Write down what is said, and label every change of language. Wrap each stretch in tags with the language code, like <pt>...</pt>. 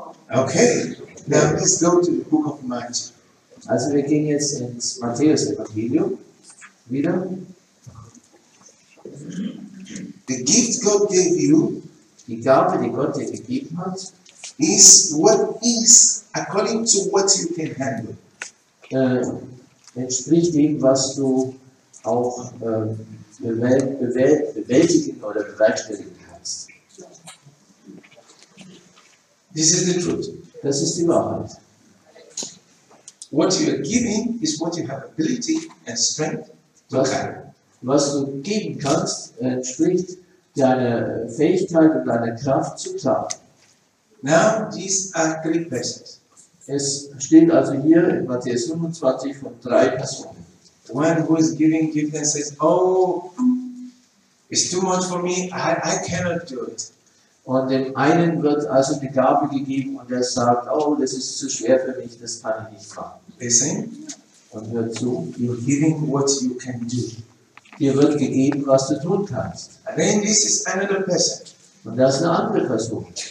<en>Okay, now let's go to the book of Matthew.</en> <de>Also wir gehen jetzt ins Matthäus-Evangelium wieder.</de> <en>The gift God gave you,</en> <de>die Gabe, die Gott dir gegeben hat,</de> <en>is what is according to what you can handle.</en> <de>Entspricht dem, was du auch bewältigen oder bewerkstelligen kannst.</de> <en>This is the truth.</en> <de>Das ist die Wahrheit.</de> <en>What you are giving is what you have ability and strength to carry.</en> <de>Was du geben kannst, entspricht deine Fähigkeit und deine Kraft zu tragen.</de> <en>Now these are three persons.</en> <de>Es steht also hier in Matthäus 25 von drei Personen.</de> <en>One who is giving gift and says, oh, it's too much for me, I cannot do it.</en> <de>Und dem einen wird also die Gabe gegeben und er sagt, oh, das ist zu schwer für mich, das kann ich nicht machen.</de> <en>Listen.</en> <de>Und hör zu.</de> <en>You're giving what you can do.</en> <de>Dir wird gegeben, was du tun kannst.</de> <en>And then this is another person.</en> <de>Und das ist eine andere Person.</de>